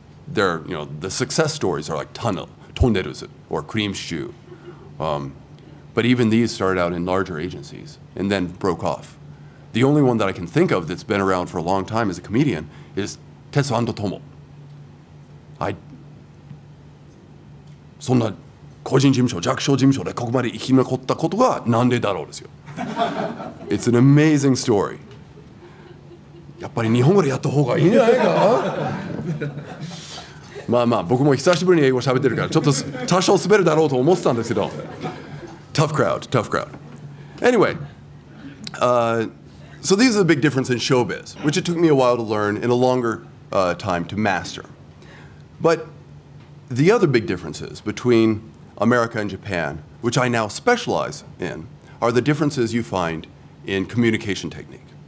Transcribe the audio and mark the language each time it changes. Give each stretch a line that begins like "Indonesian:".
English: The success stories are like Tunnel, Tonderuzu, or Cream Shoe. But even these started out in larger agencies and then broke off. The only one that I can think of that's been around for a long time as a comedian is Tetsu Ando Tomo. I,
Japanese: そんな個人事務所、弱小事務所でここまで生き残ったことがなんでだろうですよ。
English: It's an amazing story.
Japanese: やっぱり日本語でやった方がいいんじゃないか。まあまあ、僕も久しぶりに英語喋ってるからちょっと多少滑るだろうと思ってたんですけど。
English: Tough crowd, tough crowd. Anyway, so these are the big difference in showbiz, which it took me a while to learn and a longer time to master. But the other big differences between America and Japan, which I now specialize in, are the differences you find in communication technique.